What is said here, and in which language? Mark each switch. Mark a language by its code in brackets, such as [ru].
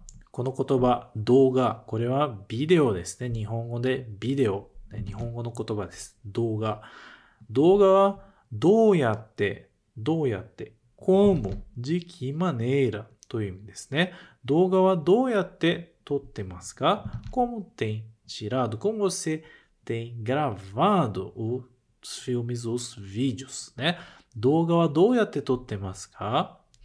[ja] この言葉、動画、これはビデオですね。日本語でビデオ、日本語の言葉です。動画、動画はどうやって、 [pt] como de que maneira [ja] という意味ですね。動画はどうやって撮ってますか？ [pt] Como tem tirado? Como você tem gravado os filmes, os vídeos? [ja] ね、動画はどうやって撮ってますか？